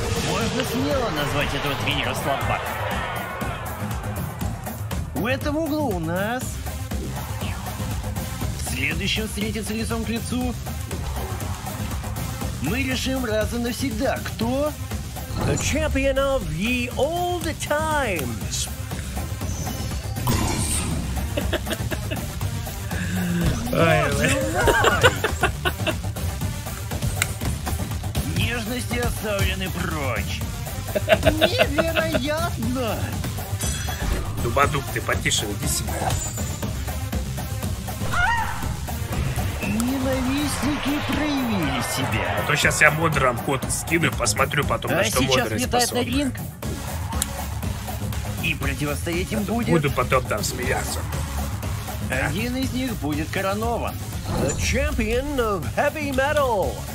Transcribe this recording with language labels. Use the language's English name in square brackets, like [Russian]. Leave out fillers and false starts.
[Russian] Можно смело назвать этого тренера слабаком. В этом углу у нас... В следующем встретиться лицом к лицу... Мы решим раз и навсегда, кто... [English] The champion of the old times! [Russian] Нежности оставлены прочь. Невероятно. Дубадук, ты потише, иди себе. Ненавистники проявили себя. А то сейчас я модером ход скину и посмотрю потом, на что модеры способны. А сейчас летает на ринг. И противостоять им будет. Буду потом там смеяться. Один из них будет коронован. [English] The champion of heavy metal!